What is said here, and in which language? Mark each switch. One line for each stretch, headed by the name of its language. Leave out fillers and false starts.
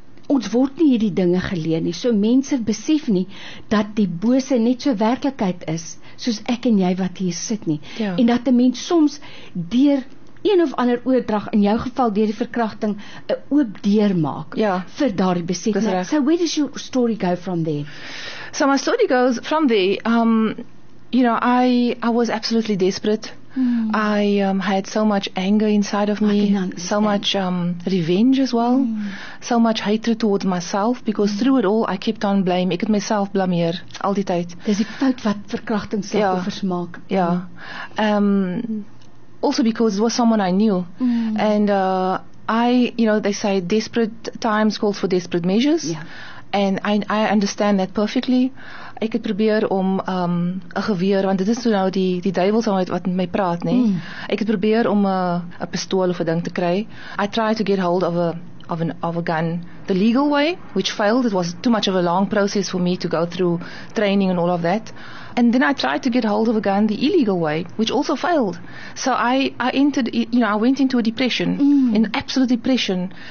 Afrikaans: Ons word nie hierdie dinge geleer nie, so mense besef nie dat die bose net so werklikheid is soos ek en jy wat hier sit nie. Ja. En dat 'n mens soms deur een of ander oordrag, in jou geval deur die verkrachting, 'n oop deur maak vir daardie besef.
English: So where does your story go from there? So my story goes from there, you know, I was absolutely desperate. I had so much anger inside of me, so much revenge as well, so much hatred towards myself, because through it all I kept on blame.
Afrikaans: Ek het myself blameer al die tyd. Dis die fout wat verkrachting slagoffers maak. Ja.
English: Also because it was someone I knew. And I, you know, they say desperate times calls for desperate measures. And I understand that perfectly.
Afrikaans: Ek het probeer om 'n geweer, want dit is nou die duivels wat met my praat, nee. Ek het probeer om 'n pistool of 'n ding te kry.
English: I tried to get hold of a gun the legal way, which failed. It was too much of a long process for me to go through training and all of that. And then I tried to get hold of a gun the illegal way, which also failed. So I went into a depression, an absolute depression.